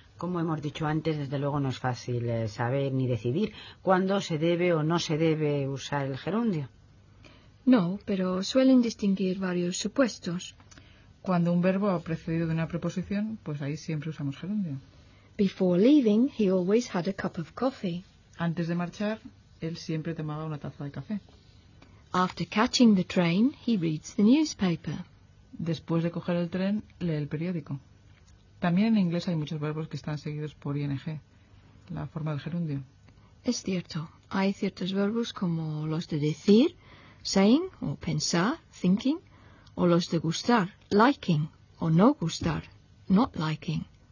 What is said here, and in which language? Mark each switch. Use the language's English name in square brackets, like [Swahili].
[Spanish] Como hemos dicho antes, desde luego no es fácil saber ni decidir cuándo se debe o no se debe usar el gerundio. No, pero suelen distinguir varios supuestos. Cuando un verbo ha precedido de una preposición, pues ahí siempre usamos gerundio. [English] Before leaving, he always had a cup of coffee. [Spanish] Antes de marchar, él siempre tomaba una taza de café. [English] After catching the train, he reads the newspaper. [Spanish] Después de coger el tren, lee el periódico. También en inglés hay muchos verbos que están seguidos por ing, la forma del gerundio. Es cierto. Hay ciertos verbos como los de decir, saying, o pensar, thinking, o los de gustar, liking, o no gustar, not liking.